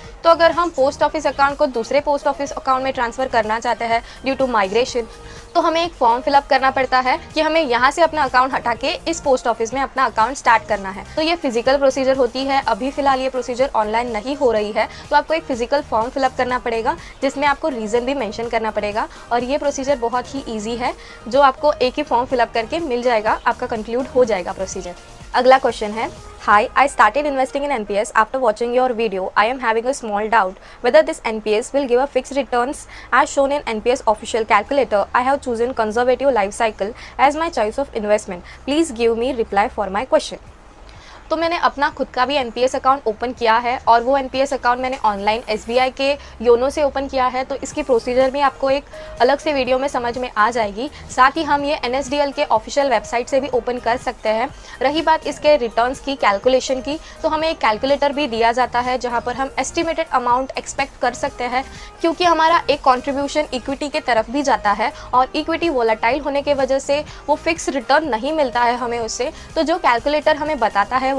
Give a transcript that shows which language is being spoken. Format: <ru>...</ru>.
<hi>तो अगर हम पोस्ट ऑफिस अकाउंट को दूसरे पोस्ट ऑफिस अकाउंट में ट्रांसफ़र करना चाहते हैं ड्यू टू माइग्रेशन, तो हमें एक फॉर्म फिलअप करना पड़ता है कि हमें यहाँ से अपना अकाउंट हटा के इस पोस्ट ऑफिस में अपना अकाउंट स्टार्ट करना है। तो ये फिजिकल प्रोसीजर होती है, अभी फिलहाल ये प्रोसीजर ऑनलाइन नहीं हो रही है। तो आपको एक फिजिकल फॉर्म फिलअप करना पड़ेगा, जिसमें आपको रीज़न भी मेंशन करना पड़ेगा, और ये प्रोसीजर बहुत ही ईजी है, जो आपको एक ही फॉर्म फिलअप करके मिल जाएगा, आपका कंक्लूड हो जाएगा प्रोसीजर। अगला क्वेश्चन है,</hi> <en>Hi, I started investing in NPS after watching your video. I am having a small doubt whether this NPS will give a fixed returns as shown in NPS official calculator. I have chosen conservative life cycle as my choice of investment. Please give me reply for my question.</en> <hi>तो मैंने अपना खुद का भी NPS account open किया है, और वो NPS अकाउंट मैंने ऑनलाइन SBI के योनो से ओपन किया है, तो इसकी प्रोसीजर भी आपको एक अलग से वीडियो में समझ में आ जाएगी। साथ ही हम ये NSDL के ऑफिशियल वेबसाइट से भी ओपन कर सकते हैं। रही बात इसके रिटर्न्स की, कैलकुलेशन की, तो हमें एक कैलकुलेटर भी दिया जाता है, जहाँ पर हम एस्टिमेटेड अमाउंट एक्सपेक्ट कर सकते हैं, क्योंकि हमारा एक कॉन्ट्रीब्यूशन इक्विटी के तरफ भी जाता है, और इक्विटी वोलाटाइल होने के वजह से वो फिक्स रिटर्न नहीं मिलता है हमें उससे। तो जो कैलकुलेटर हमें बताता है</hi>